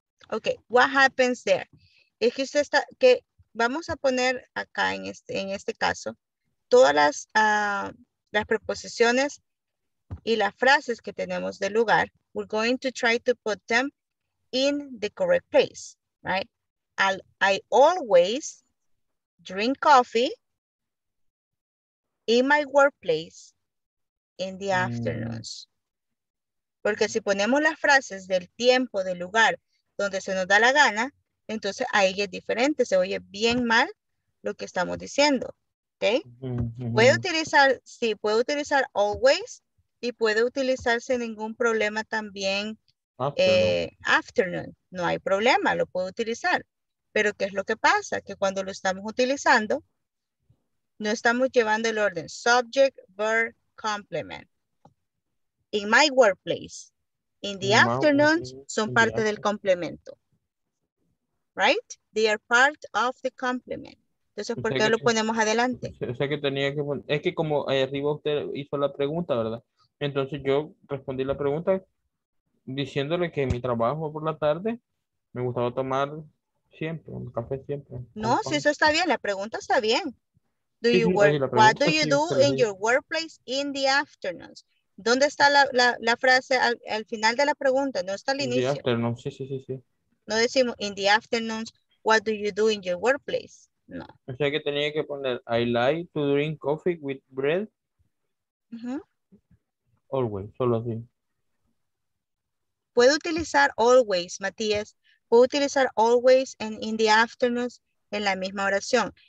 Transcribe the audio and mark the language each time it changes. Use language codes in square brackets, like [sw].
[en] Okay, what happens there? [es] Es que usted está, que vamos a poner acá en este caso, todas las preposiciones y las frases que tenemos de lugar, [en] we're going to try to put them in the correct place, right? I always drink coffee in my workplace in the afternoons. [es] Porque si ponemos las frases del tiempo, del lugar, donde se nos da la gana, entonces ahí es diferente, se oye bien mal lo que estamos diciendo. Okay? Puede utilizar, sí, puede utilizar always y puede utilizarse ningún problema también afternoon. Afternoon. No hay problema, lo puedo utilizar. Pero ¿qué es lo que pasa? Que cuando lo estamos utilizando, no estamos llevando el orden [en] subject, verb, complement. In my workplace, in the afternoons, [es] son parte del complemento. [en] Right? They are part of the complement. [es] Entonces, ¿por qué lo ponemos adelante? O sea que tenía que poner, es que como ahí arriba usted hizo la pregunta, ¿verdad? Entonces yo respondí la pregunta diciéndole que mi trabajo por la tarde me gustaba tomar siempre, un café siempre. No, si eso está bien, la pregunta está bien. [en] Do you work, what do you do in your workplace in the afternoons? [es] ¿Dónde está la frase al final de la pregunta? No está al inicio. [en] In the afternoon, sí. [es] No decimos [en] in the afternoons, what do you do in your workplace? [es] No. O sea que tenía que poner, [en] I like to drink coffee with bread. Uh-huh. [es] Always, solo así. Puedo utilizar always, Matías. Puedo utilizar always [en] and in the afternoons [es] en la misma oración.